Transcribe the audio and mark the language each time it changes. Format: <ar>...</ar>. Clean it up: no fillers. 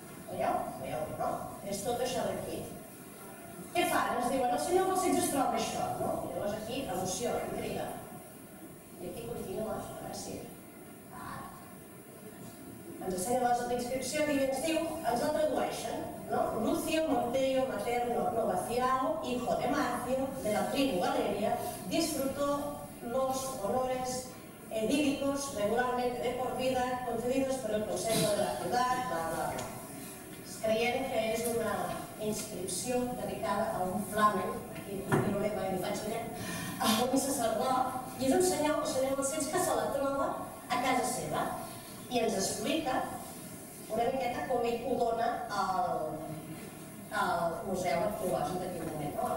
<ca>Veieu, no? És tot això d'aquí. Què fan? Ens diuen, el senyor Balcells es troba això, no? I llavors aquí, emoció, intriga. I aquí continua, a veure si... Ens ensenya la descripció i ens diu, ens la tradueixen, no?</ca> <es>Lucio, Monteo, Materno, Novaciao, hijo de Marcio, de la tribu Valeria, disfrutó los honores edílicos regularmente de por vida concedidos por el Consejo de la Ciudad, bla, bla, bla.</es> <ca>Creient que és una inscripció dedicada a un flamen, aquí no l'hem vaig allà, a un sacerdot, i és un senyor, el senyor Balcells, que se la troba a casa seva. I ens explica una miqueta com ell ho dona al Museu Arqueològic d'aquí un moment, no?</ca>